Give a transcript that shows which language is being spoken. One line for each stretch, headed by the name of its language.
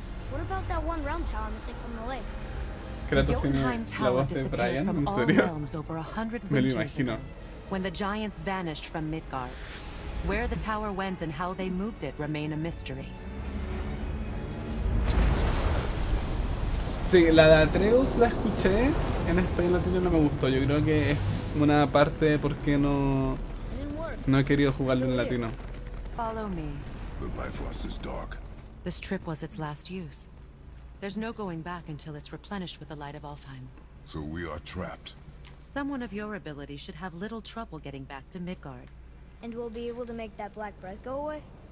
English: What about that one realm tower missing from the lake? The Jotunheim tower disappeared from all realms over 100 winters ago, when the giants vanished from Midgard. Where the tower went and how they moved it remain a mystery.
Spanish: Sí, la de Atreus la escuché en español latino, no me gustó. Yo creo que es una parte porque no he querido jugarlo en latino.
English: Follow me. The Bifrost is dark. This trip was its last use. There's no going back until it's replenished with the light of Alfheim. So we are trapped. Someone of your ability should have little trouble getting back to Midgard. And we'll be able to make that black breath go away?